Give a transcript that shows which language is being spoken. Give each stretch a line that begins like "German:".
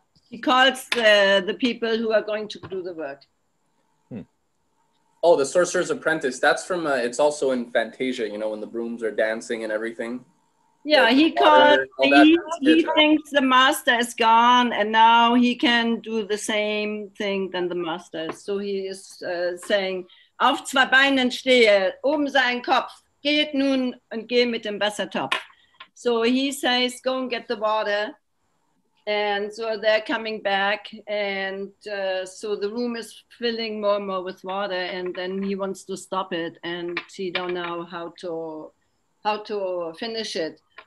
English: He calls the people who are going to do the work. Oh, the Sorcerer's Apprentice. That's from, it's also in Fantasia, you know, when the brooms are dancing and everything. Yeah, he called. He thinks the master is gone, and now he can do the same thing than the master. So he is saying,
German: "Auf zwei Beinen stehe, oben sein Kopf, geht nun und geh mit dem Wassertopf."
English: So he says, "Go and get the water." And so they're coming back, and so the room is filling more and more with water. And then he wants to stop it, and he don't know how to finish it.